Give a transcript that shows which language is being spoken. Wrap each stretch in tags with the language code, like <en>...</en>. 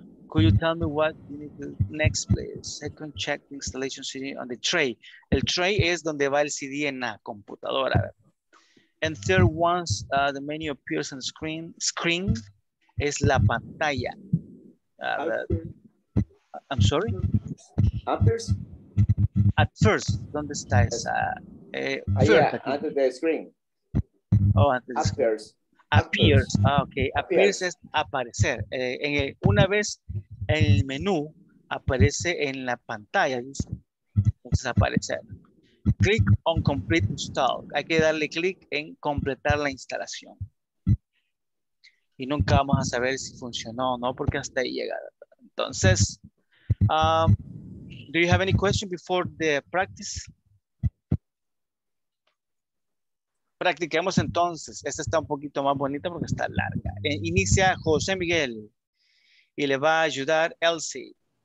<en>Could you tell me what you need to do next, please? Second, check the installation CD on the tray.</en> <es>El tray es donde va el CD en la computadora, ¿verdad?</es> <en>And third, once the menu appears on screen</en> <es>es la pantalla.</es> <en>I'm sorry? Appears? At first,</en> <es>¿dónde está esa?</es> <en>Under the screen. Oh, under the appears. Screen. Appears. Ah, okay. Appears</en> <es>es aparecer. Una vez en el menú, aparece en la pantalla. Entonces, aparecer.</es> <en>Click on complete install.</en> <es>Hay que darle clic en completar la instalación. Y nunca vamos a saber si funcionó o no, porque hasta ahí llega.</es> <en>Entonces, do you have any question before the practice?</en> <es>Practiquemos entonces. Esta está un poquito más bonita porque está larga. Inicia José Miguel y le va a ayudar Elsie.</es>